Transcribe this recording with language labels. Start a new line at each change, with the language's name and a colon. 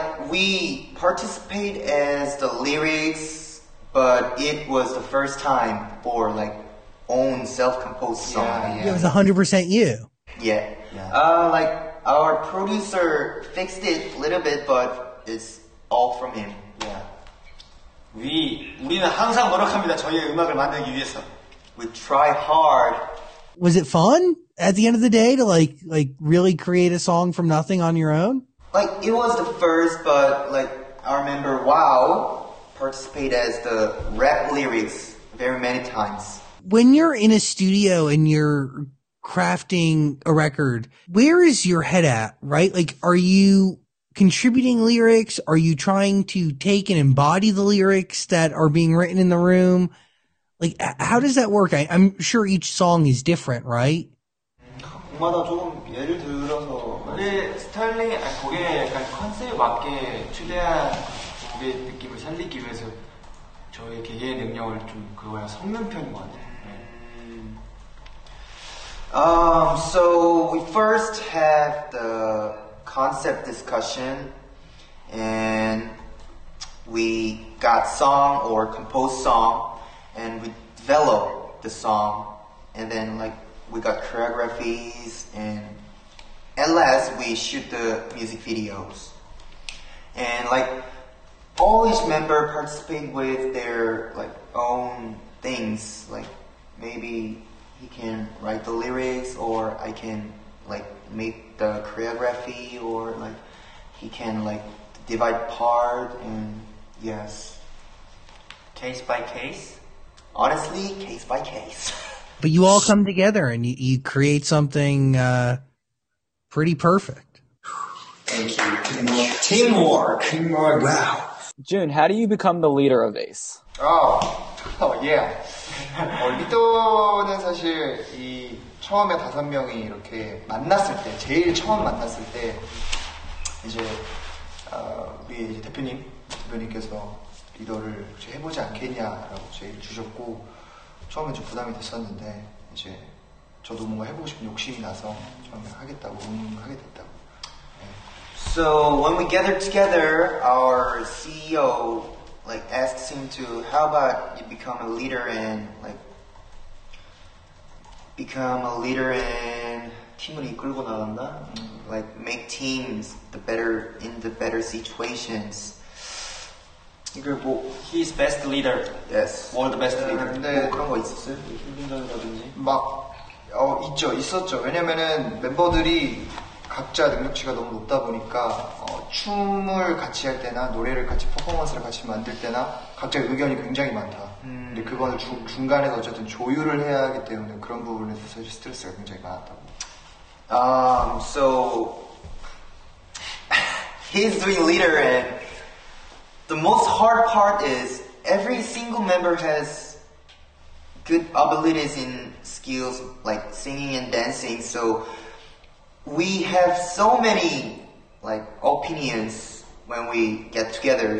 English: We participate as the lyrics, but it was the first time for, like, own self-composed song. Yeah. It was 100% you. Yeah. Our producer fixed it a little bit, but it's all from him.
Korean: 우리는 항상 노력합니다. 저희의 음악을 만들기 위해서.
English: We try hard. Was it fun at the end of the day to like really create a song from nothing on your own? Like it was the first, but like our member Wow participated as the rap lyrics very many times. When you're in a studio and you're crafting a record, where is your head at, right? Like are you contributing lyrics? Are you trying to take and embody the lyrics that are being written in the room? Like, how does that work? I'm sure each song is different, right?
Korean: 곡마다 조금 예를 들어서 곡의 스타일링, 곡의 약간 컨셉에 맞게 최대한 곡의 느낌을 살리기 위해서 저의 개개인 능력을 좀 그거야 섞는 편인 것 같아요.
English: So we first have the concept discussion and we got song or composed song and we developed the song and then like we got choreographies and at last we shoot the music videos and like all each member participate with their like own things like maybe he can write the lyrics or I can like make the choreography or like he can like divide part and yes case by case honestly case by case but you all come together and you create something pretty perfect thank you teamwork wow Jun how do you become the leader of ACE oh yeah
Korean: 리더는 사실 이 처음에 다섯 명이 이렇게 만났을 때, 제일 처음 만났을 때 이제 우리 이제 대표님께서 리더를 해보지 않겠냐라고 제일 주셨고 처음엔 좀 부담이 됐었는데 이제 저도 뭔가 해보고 싶은 욕심이 나서 처음에 하겠다고 응하게 됐다고. 네.
English: So when we gather together, our CEO like asks him to, how about you become a leader in like become a leader in
Korean: 팀을 이끌고 나간다.
English: Like make teams the better in the better situations.
Korean: 그리고
English: he's best leader. Yes. World best leader.
Korean: 근데 뭐 그런 거 있었어요? 막 있죠, 있었죠. 왜냐면은 멤버들이 각자 능력치가 너무 높다 보니까 춤을 같이 할 때나 노래를 같이 퍼포먼스를 같이 만들 때나 각자 의견이 굉장히 많다. 근데 그거는 중간에서 어쨌든 조율을 해야 하기 때문에 그런 부분에서 사실 스트레스가 굉장히 많았다고.
English: So he's doing leader and the most hard part is every single member has good abilities in skills like singing and dancing. So we have so many like opinions when we get together.